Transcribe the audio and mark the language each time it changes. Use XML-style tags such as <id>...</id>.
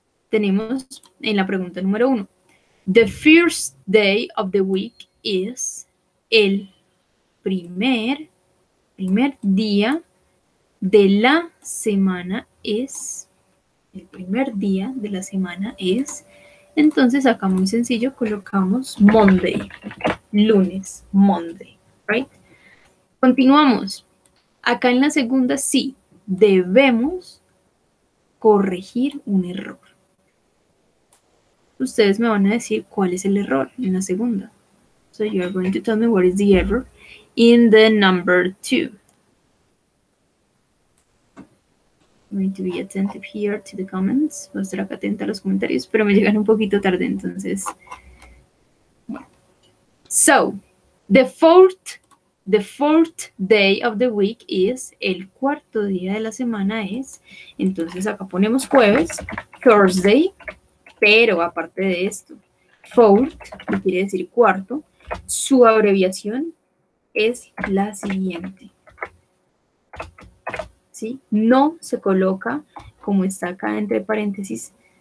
<es>Tenemos en la pregunta número uno,</es> <en>the first day of the week is</en> <es>el primer día de la semana es, el primer día de la semana es, entonces acá muy sencillo colocamos Monday, lunes, Monday, right? Continuamos, acá en la segunda sí, debemos corregir un error. Ustedes me van a decir cuál es el error en la segunda.</es> <en>So you are going to tell me what is the error in the number two. I'm going to be attentive here to the comments.</en> <es>Voy a estar acá atenta a los comentarios, pero me llegan un poquito tarde, entonces.</es> <en>So, the fourth day of the week is,</en> <es>el cuarto día de la semana es, entonces acá ponemos jueves, Thursday, pero aparte de esto, fourth, que quiere decir cuarto, su abreviación es la siguiente, ¿sí? No se coloca, como está acá entre paréntesis,</es>